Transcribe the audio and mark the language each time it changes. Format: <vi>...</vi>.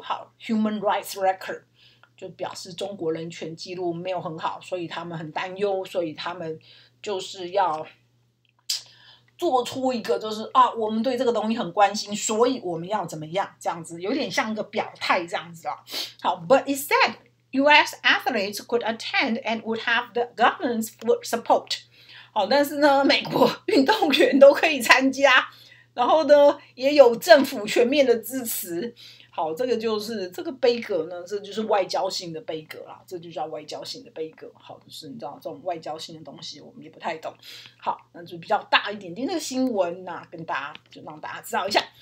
<zh>好 ，</zh> <en>human rights record</en> <zh>就表示中国人权记录没有很好，所以他们很担忧，所以他们就是要做出一个就是啊，我们对这个东西很关心，所以我们要怎么样，这样子有点像一个表态这样子啦。</zh> <en>好 ，But it said U.S. athletes could attend and would have the government's support。</en> <zh>好，但是呢，美国运动员都可以参加，然后呢，也有政府全面的支持。好，这个就是这个杯葛呢，这就是外交性的杯葛啦，这就叫外交性的杯葛。好，就是你知道这种外交性的东西，我们也不太懂。好，那就比较大一点点的新闻呐、啊，跟大家就让大家知道一下。</zh>